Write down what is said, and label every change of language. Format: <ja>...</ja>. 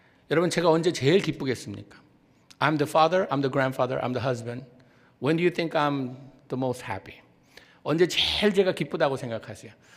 <ko>여러분, 제가 언제 제일 기쁘겠습니까?</ko> <en>I'm the father, I'm the grandfather, I'm the husband. When do you think I'm the most happy?</en> <ko>언제 제일 제가 기쁘다고 생각하세요?</ko>